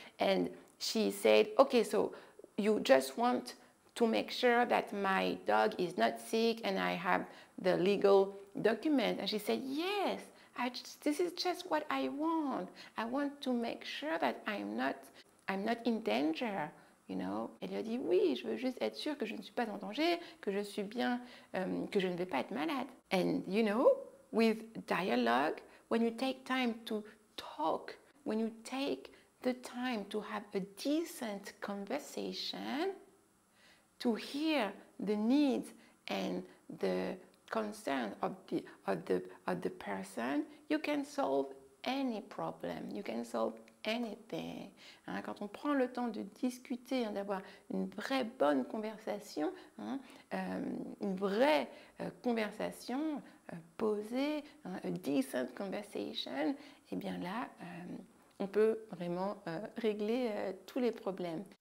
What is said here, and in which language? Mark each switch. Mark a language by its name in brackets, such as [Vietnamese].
[English] And she said, okay, so you just want to make sure that my dog is not sick and I have the legal document. And she said, yes. This is just what I want. I want to make sure that I'm not in danger, you know. [French] Elle lui a dit, oui, je veux juste être sûre que je ne suis pas en danger, que je suis bien, que je ne vais pas être malade. [English] And you know, with dialogue, when you take time to talk, when you take the time to have a decent conversation, to hear the needs and the concern of the person, you can solve any problem, you can solve anything. [French] Quand on prend le temps de discuter, d'avoir une vraie bonne conversation, une vraie conversation posée, [English] a decent conversation, [French] et bien là, on peut vraiment régler tous les problèmes.